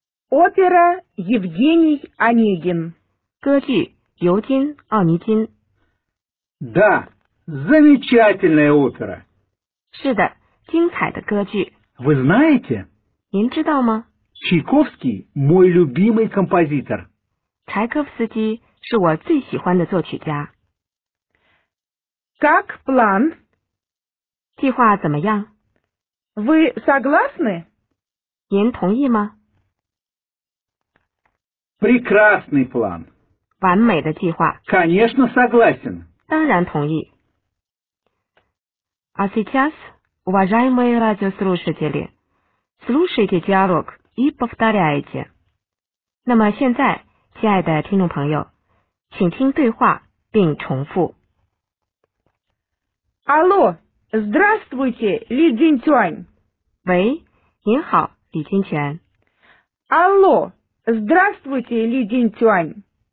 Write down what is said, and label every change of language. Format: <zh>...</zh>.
<ru>Опера Евгений Онегин.</ru> <zh>歌剧尤金·奥尼金。</zh> <ru>Да, замечательная опера.</ru> <zh>是的,精彩的歌剧。</zh> <ru>Вы знаете?</ru> <zh>您知道吗?</zh> <ru>Чайковский – мой любимый композитор.</ru> <zh>柴可夫斯基是我最喜欢的作曲家。</zh> <ru>Как план?</ru> <zh>计划怎么样?</zh> <ru>Вы согласны?</ru> <zh>您同意吗?</zh> <ru>Прекрасный план.</ru> <zh>完美的计划。</zh> <ru>Конечно, согласен.</ru> <zh>当然同意。</zh> <ru>А сейчас? Уважаемые радиослушатели, слушайте диалог и повторяйте.</ru> <zh>那么现在，亲爱的听众朋友，请听对话并重复。</zh> <ru>Алло, здравствуйте, Ли Цзиньцюань.</ru> <zh>喂，您好，李金泉。</zh> <ru>Алло, здравствуйте, Ли Цзиньцюань.</ru>